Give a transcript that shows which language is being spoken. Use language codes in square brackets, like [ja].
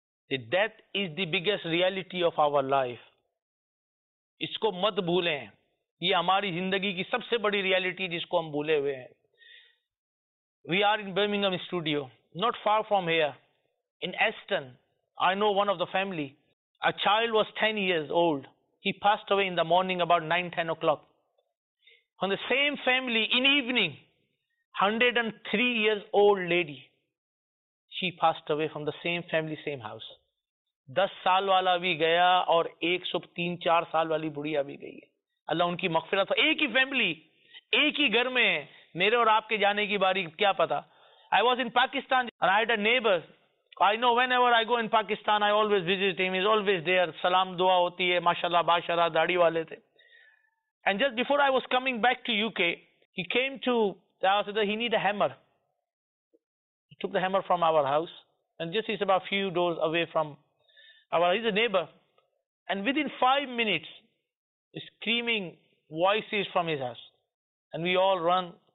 [en] The death is the biggest reality of our life. [hi] इसको मत भूलें. ये हमारी जिंदगी की सबसे बड़ी reality जिसको हम भूले हुए हैं. [en] We are in Birmingham studio, not far from here, in Aston. I know one of the family. A child was 10 years old. He passed away in the morning about 9-10 o'clock. From the same family in evening, 103 years old lady. She passed away from the same family, same house. [hi] 10 साल वाला भी गया और 103-104 साल वाली बुढ़िया भी गई है. अल्लाह उनकी मगफिरत. एक ही फैमिली, एक ही घर में मेरे और आपके जाने की बारी, क्या पता. [en] I was in Pakistan and I had a neighbour. I know whenever I go in Pakistan I always visit him. Is always there. [hi] सलाम दुआ होती है. माशाल्लाह बाशाल्लाह दाढ़ी वाले थे. [en] And just before I was coming back to UK he came to he need a hammer. Took the hammer from our house, and just he's about a few doors away from our, he's a neighbor, and within 5 minutes, screaming voices from his house, and we all run.